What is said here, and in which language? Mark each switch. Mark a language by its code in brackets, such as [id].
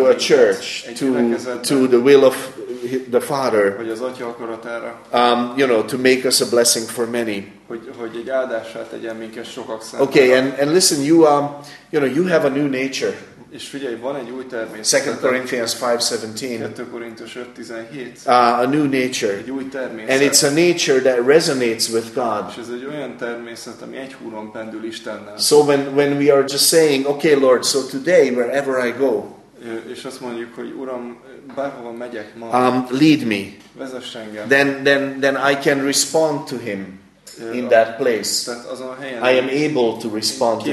[en] to a church, to the will of the Father. [hu] Hogy az Atya akaratára. [en] You know, to make us a blessing for many. [hu] Hogy egy áldással tegyen minket sokak számára. [en] Okay, and listen, you you know, you have a new nature. [hu] És figyelj, van egy új természet. [en] 2 Corinthians 5:17. A new nature. [hu] Egy új természet. [en] And it's a nature that resonates with God. [hu] És ez egy olyan természet, ami egy húron pendül Istennel. [en] So when we are just saying, okay, Lord, so today wherever I go. [hu] És azt mondjuk, hogy Uram, bárhova megyek ma. [en] Lead me. [hu] Vezess engem. [en] Then I can respond to Him. In that place, I am able to respond to